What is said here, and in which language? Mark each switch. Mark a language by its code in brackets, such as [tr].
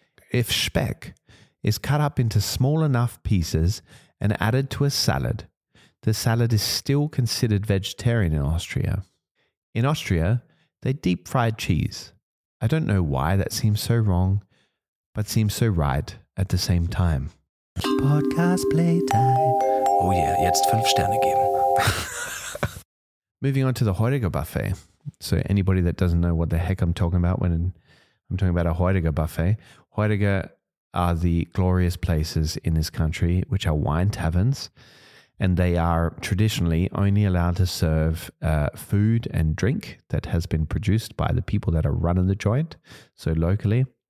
[en] If Speck is cut up into small enough pieces and added to a salad, the salad is still considered vegetarian in Austria. In Austria, they deep fried cheese. I don't know why that seems so wrong, but seems so right at the same time. Podcast playtime. Oh yeah, [de] jetzt 5 Sterne geben. [en] Moving on to the Heuriger Buffet. So anybody that doesn't know what the heck I'm talking about when I'm talking about a Heuriger Buffet, Heuriger are the glorious places in this country, which are wine taverns. And they are traditionally only allowed to serve food and drink that has been produced by the people that are running the joint, so locally.